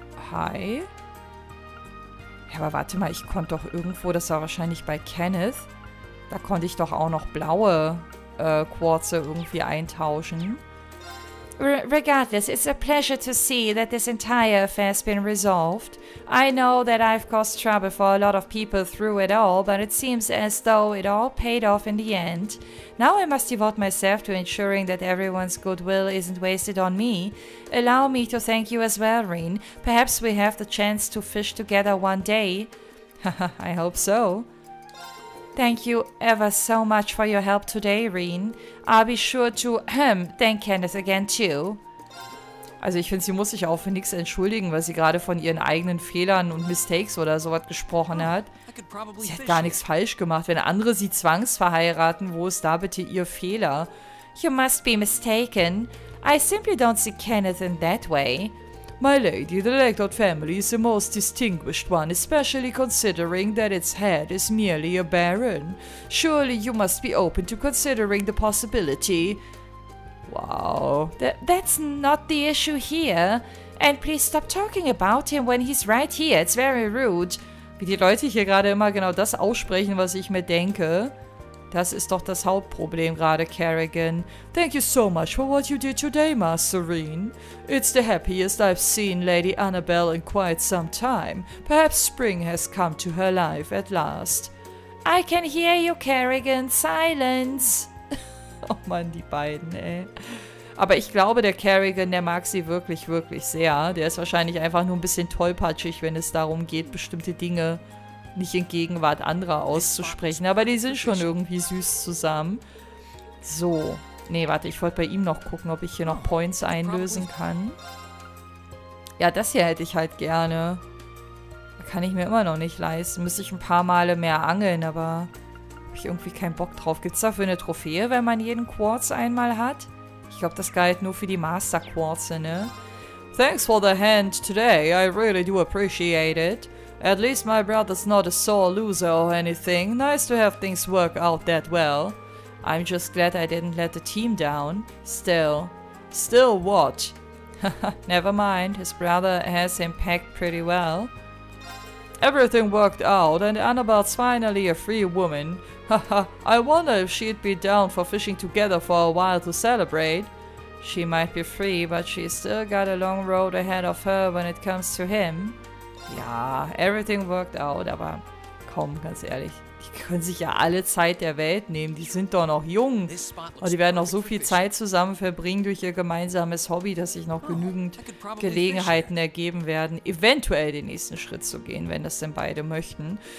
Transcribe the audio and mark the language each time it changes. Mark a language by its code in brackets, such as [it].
[de] Hi? Ja, aber warte mal, ich konnte doch irgendwo, das war wahrscheinlich bei Kenneth, da konnte ich doch auch noch blaue Quarze irgendwie eintauschen. [en] Regardless, it's a pleasure to see that this entire affair has been resolved. I know that I've caused trouble for a lot of people through it all, but it seems as though it all paid off in the end. Now I must devote myself to ensuring that everyone's goodwill isn't wasted on me. Allow me to thank you as well, Rin. Perhaps we have the chance to fish together one day. I hope so. Thank you ever so much for your help today, Rin. I'll be sure to thank Kenneth again too. [de] Also ich finde, sie muss sich auch für nichts entschuldigen, weil sie gerade von ihren eigenen Fehlern und Mistakes oder sowas gesprochen hat. Sie hat gar nichts falsch gemacht. Wenn andere sie zwangsverheiraten, wo ist da bitte ihr Fehler? [en] You must be mistaken. I simply don't see Kenneth in that way. My lady, the Lake Lord family is the most distinguished one, especially considering that its head is merely a baron. Surely you must be open to considering the possibility. Wow. That's not the issue here. And please stop talking about him when he's right here. It's very rude. [de] Wie die Leute hier gerade immer genau das aussprechen, was ich mir denke. Das ist doch das Hauptproblem gerade, Kerrigan. [en] Thank you so much for what you did today, Masterine. It's the happiest I've seen Lady Annabelle in quite some time. Perhaps spring has come to her life at last. I can hear you, Kerrigan. Silence. [de] Oh Mann, die beiden, ey. Aber ich glaube, der Kerrigan, der mag sie wirklich, wirklich sehr. Der ist wahrscheinlich einfach nur ein bisschen tollpatschig, wenn es darum geht, bestimmte Dinge nicht in Gegenwart anderer auszusprechen. Aber die sind schon irgendwie süß zusammen. So. Nee, warte, ich wollte bei ihm noch gucken, ob ich hier noch Points einlösen kann. Ja, das hier hätte ich halt gerne. Kann ich mir immer noch nicht leisten. Müsste ich ein paar Male mehr angeln, aber habe ich irgendwie keinen Bock drauf. Gibt es dafür eine Trophäe, wenn man jeden Quartz einmal hat? Ich glaube, das galt nur für die Master-Quartze, ne? [en] Thanks for the hand today. I really do appreciate it. At least my brother's not a sore loser or anything. Nice to have things work out that well. I'm just glad I didn't let the team down. Still. Still what? Never mind. His brother has him packed pretty well. Everything worked out and Annabelle's finally a free woman. Haha, I wonder if she'd be down for fishing together for a while to celebrate. She might be free, but she's still got a long road ahead of her when it comes to him. [de] Ja, [en] everything worked out, [de] aber komm, ganz ehrlich. Die können sich ja alle Zeit der Welt nehmen, die sind doch noch jung. Und die werden noch so viel Zeit zusammen verbringen durch ihr gemeinsames Hobby, dass sich noch genügend Gelegenheiten ergeben werden, eventuell den nächsten Schritt zu gehen, wenn das denn beide möchten.